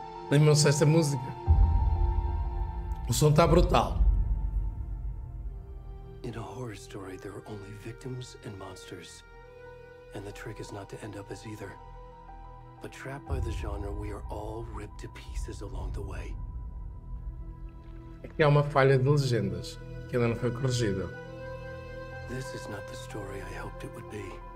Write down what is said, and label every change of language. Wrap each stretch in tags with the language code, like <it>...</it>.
<pt>Lembram-se esta música? O som está brutal.</pt> <en>In a horror story, there are only victims and monsters. And the trick is not to end up as either. But trapped by the genre, we are all ripped to pieces along the way.</en> <pt>Aqui há uma falha de legendas, que ainda não foi corrigida.</pt> <en>This is not the story I hoped it would be.</en>